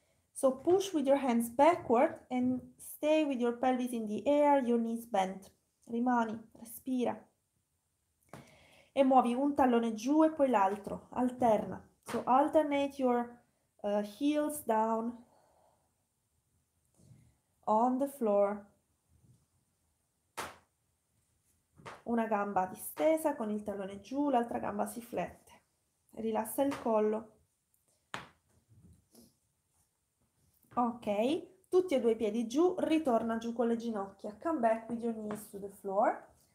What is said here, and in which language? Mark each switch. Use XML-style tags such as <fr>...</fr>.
<en>So push with your hands backward and stay with your pelvis in the air, your knees bent.</en> <it>Rimani, respira. E muovi un tallone giù e poi l'altro. Alterna.</it> <en>So alternate your heels down on the floor.</en> <it>Una gamba distesa con il tallone giù, l'altra gamba si flette. Rilassa il collo. Ok, tutti e due i piedi giù, ritorna giù con le ginocchia.</it> <en>Come back with your knees to the floor.</en>